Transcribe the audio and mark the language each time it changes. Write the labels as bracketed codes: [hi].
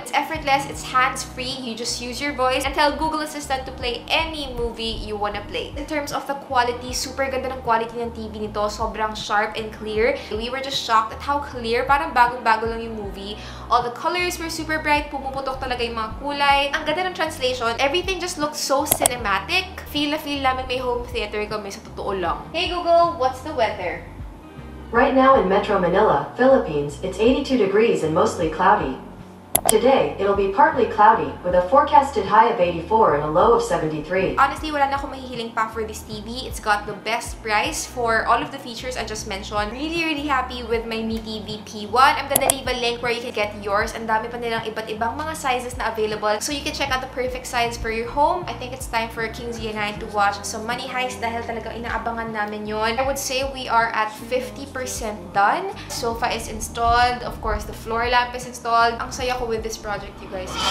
[en] It's effortless, it's hands-free, you just use your voice and tell Google Assistant to play any movie you wanna play. In terms of the quality, [tl] super ganda ng quality ng TV nito. Sobrang sharp and clear. [en] We were just shocked at how clear, [tl] parang bagong-bago lang yung movie. [en] All the colors were super bright. [tl] Pumuputok talaga yung mga kulay. Ang ganda ng translation. [en] Everything just looks so cinematic. [tl] Feel namin may home theater kami sa totoo lang. [en] Hey Google, what's the weather? Right now in Metro Manila, Philippines, it's 82 degrees and mostly cloudy. Today, it'll be partly cloudy with a forecasted high of 84 and a low of 73. [tl] Honestly, wala na akong mahihiling pa for this TV. [en] It's got the best price for all of the features I just mentioned. Really, really happy with my Me TV P1. I'm gonna leave a link where you can get yours. [tl] Ang dami pa nilang iba't ibang mga sizes na available. [en] So you can check out the perfect size for your home. I think it's time for King Z and I to watch some Money Heist [tl] dahil talaga inaabangan namin yon. [en] I would say we are at 50% done. Sofa is installed. Of course, the floor lamp is installed. [tl] Ang saya ko [en] with this project, you guys.